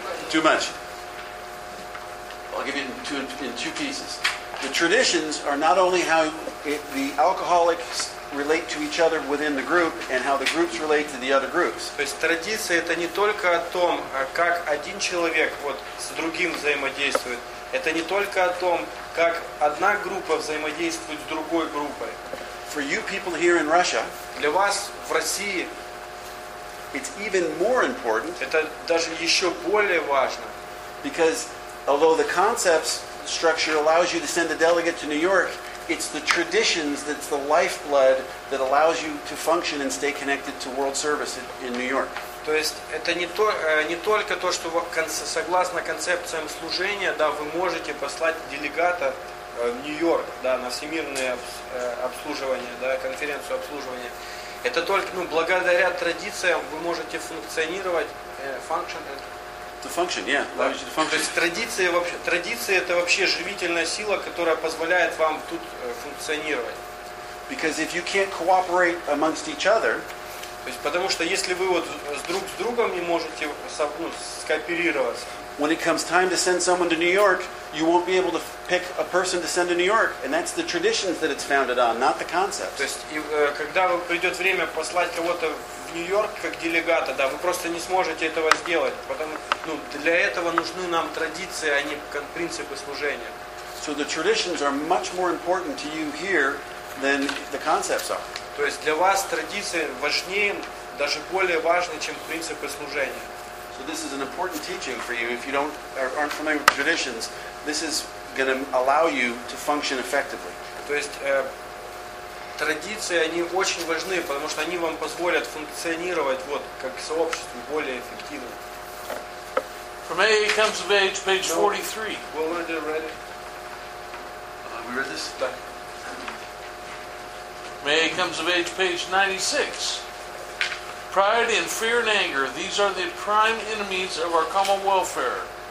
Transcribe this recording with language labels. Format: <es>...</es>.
<en>Too much. I'll give you in two pieces. The traditions are not only how the alcoholics relate to each other within the group and how the groups relate to the other groups.</en> <ru>То есть традиция это не только о том, как один человек вот с другим взаимодействует. Это не только о том, как одна группа взаимодействует с другой группой.</ru> <en>For you people here in Russia,</en> <ru>для вас в России,</ru> <en>it's even more important.</en> <ru>Это даже еще более важно.</ru> <en>Because although the concepts structure allows you to send a delegate to New York, it's the traditions that's the lifeblood that allows you to function and stay connected to World Service in New York.</en> <ru>То есть это не только то, что согласно концепциям служения, да, вы можете послать делегата в Нью-Йорк, да, на всемирное обслуживание, да, конференцию обслуживания. Это только, ну, благодаря традициям вы можете функционировать, function.</ru> <en>To function, yeah. Allows you to function.</en> <ru>То есть традиция это вообще живительная сила, которая позволяет вам тут функционировать.</ru> <en>Because if you can't cooperate amongst each other,</en> <ru>то есть потому что если вы вот друг с другом не можете скооперироваться,</ru> <en>when it comes time to send someone to New York, you won't be able to pick a person to send to New York, and that's the traditions that it's founded on, not the concepts.</en> <ru>То есть когда придет время послать кого-то Нью-Йорк как делегата, да, вы просто не сможете этого сделать, потому ну для этого нужны нам традиции, а не принципы служения.</ru> <en>So the traditions are much more important to you here than the concepts are.</en> <ru>То есть для вас традиции важнее, даже более важны, чем принципы служения.</ru> <en>So this is an important teaching for you. If you don't aren't familiar with traditions, this is going to allow you to function effectively.</en> <ru>То есть традиции, они очень важны, потому что они вам позволят функционировать вот как сообщество более эффективно.</ru> <en>From AA comes of age, page 43. Well, we're ready. We read this?</en> <ru>Да.</ru> <en>From AA comes of age, page 96. Pride and fear and anger, these are the prime enemies of our common welfare.</en>